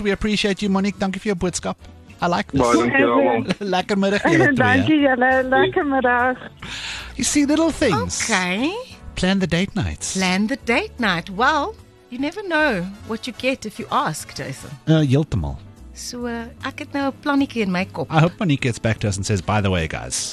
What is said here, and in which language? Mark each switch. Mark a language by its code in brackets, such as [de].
[en] We appreciate you, Monique. Thank you for your boodskap. I like this. Bye, thank you. [af] Lekker middag, jylle twee. [en] Thank you, [af] jylle. Lekker middag. [en] You see, little things. Okay. Plan the date night. Plan the date night. Well, you never know what you get if you ask, Jason. [af] Heeltemal. So, ek het nou 'n plannetjie in my kop. [en] I hope Monique gets back to us and says, by the way, guys.